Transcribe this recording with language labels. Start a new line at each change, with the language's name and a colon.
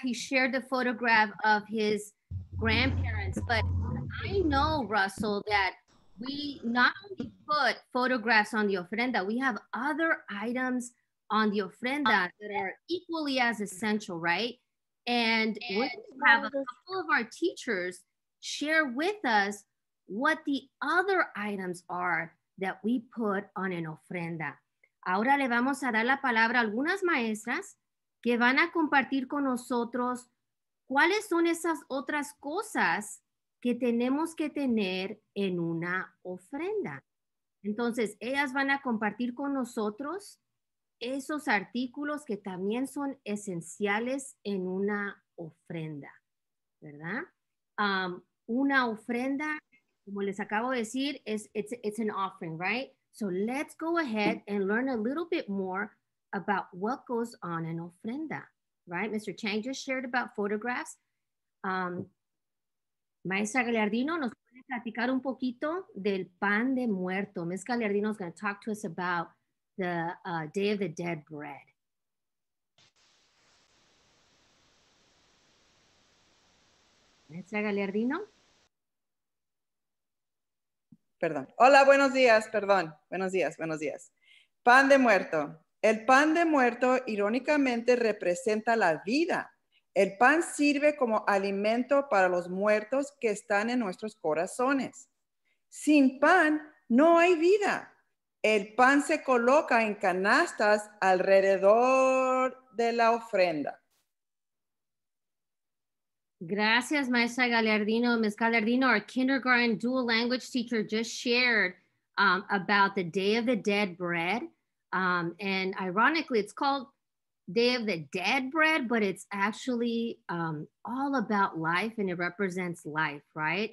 English: He shared the photograph of his grandparents, but I know, Russell, that we not only put photographs on the ofrenda, we have other items on the ofrenda that are equally as essential, right? And we have a couple of our teachers share with us what the other items are that we put on an ofrenda.
Spanish: Ahora le vamos a dar la palabra a algunas maestras que van a compartir con nosotros cuáles son esas otras cosas que tenemos que tener en una ofrenda. Entonces, ellas van a compartir con nosotros esos artículos que también son esenciales en una ofrenda, ¿verdad? Una ofrenda, como les acabo de decir,
English: it's an offering, right? So let's go ahead and learn a little bit more about what goes on an ofrenda, right? Mr. Chang just shared about photographs.
Spanish: Maestra Gallardino nos puede platicar un poquito del pan de muerto.
English: Ms. Gallardino is going to talk to us about the Day of the Dead bread.
Spanish: Maestra Gallardino. Perdón. Hola, buenos días, perdón. Buenos días, buenos días. Pan de muerto. El pan de muerto irónicamente representa la vida. El pan sirve como alimento para los muertos que están en nuestros corazones. Sin pan, no hay vida. El pan se coloca en canastas alrededor de la ofrenda. Gracias, Maestra Gallardino. Ms.
English: Gallardino, our kindergarten dual language teacher, just shared about the Day of the Dead bread. And ironically, it's called Day of the Dead bread, but it's actually all about life, and it represents life, right?